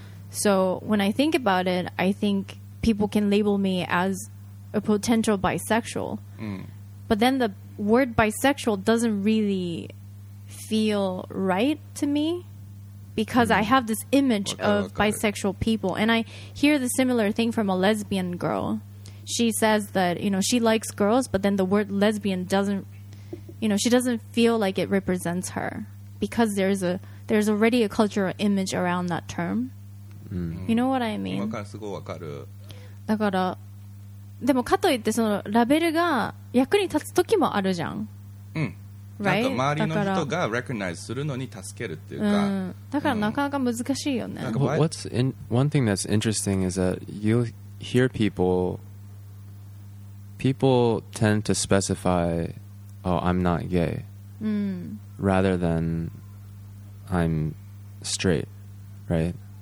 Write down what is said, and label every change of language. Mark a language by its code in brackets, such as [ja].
[en] So when I think about it, I think people can label me as a potential bisexual、but then the word bisexual doesn't really feel right to me because、I have this image of bisexual people, and I hear the similar thing from a lesbian girlShe says that, you know, she likes girls, but then the word lesbian doesn't, you know, she doesn't feel like it represents her because there's already a cultural image around that term.、You know what I mean? [ja] 分かる、すごい分かる。だから、でもかといってそのラベルが役に立つ時もあるじゃん。うん。 [en] Right? [ja] なんか周りの人が recognize するのに助けるっていうか。だからなかなか難しいよね。 [en] What's in, one thing that's interesting is that you hear people tend to specify, oh, I'm not gay, rather than I'm straight, right?